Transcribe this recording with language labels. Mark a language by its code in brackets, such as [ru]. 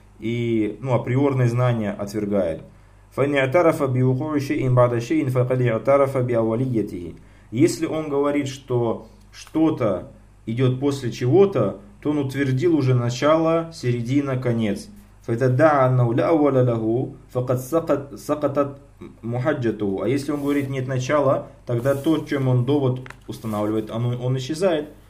[ru] И, ну, априорные знания отвергает. [ar] فَإِنْ اَعْتَرَفَ بِوُقُعُ شَيْءٍ بَعْدَ شَيْءٍ فَقَدْ اَعْتَرَفَ بِأَوَلِيَّتِهِ. [ru] Если он говорит, что что-то идет после чего-то, то он утвердил уже начало, середина, конец. [ar] فَتَدَّعَ أَنَّهُ لَا أَوَّلَ لَهُ فَقَدْ سَقَطَتْ мухаджатуху. [ru] А если он говорит, нет начала, тогда то, чем он довод устанавливает, он исчезает.